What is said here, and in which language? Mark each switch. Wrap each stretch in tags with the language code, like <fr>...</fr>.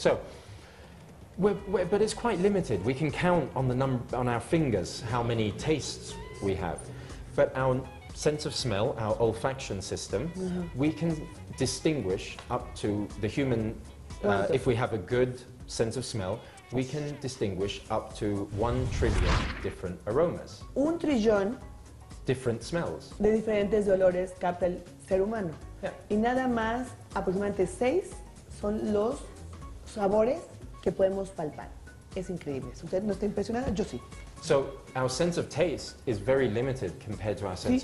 <en>So, but it's quite limited. We can count on the number on our fingers how many tastes we have, but our sense of smell, our olfaction system, mm-hmm. we can distinguish up to the human. If we have a good sense of smell, we can distinguish up to 1 trillion different aromas. 1 trillion different smells.</en> <es>De diferentes olores capta el ser humano.</es> <en>Yeah.</en> <es>Y nada más, aproximadamente 6 son los sabores que podemos palpar. Es increíble. ¿Usted no está impresionada? Yo sí.</es> <en>So, our sense of taste is very limited compared to our sense</en>